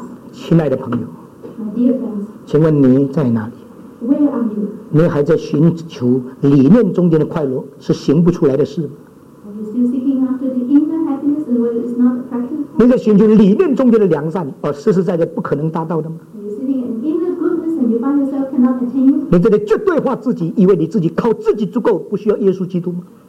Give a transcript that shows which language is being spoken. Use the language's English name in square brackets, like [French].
[Chinese] 亲爱的朋友，请问你在哪里？ [English] Where are you? [Chinese] 你还在寻求理念中间的快乐，是行不出来的事吗？ [English] Are you still seeking after the inner happiness and whether it's not practical? [Chinese] 你在寻求理念中间的良善，而实实在在不可能达到的吗？ [English] Are you seeking an inner goodness and you find yourself cannot attain it? [Chinese] 你这里绝对化自己，以为你自己靠自己足够，不需要耶稣基督吗？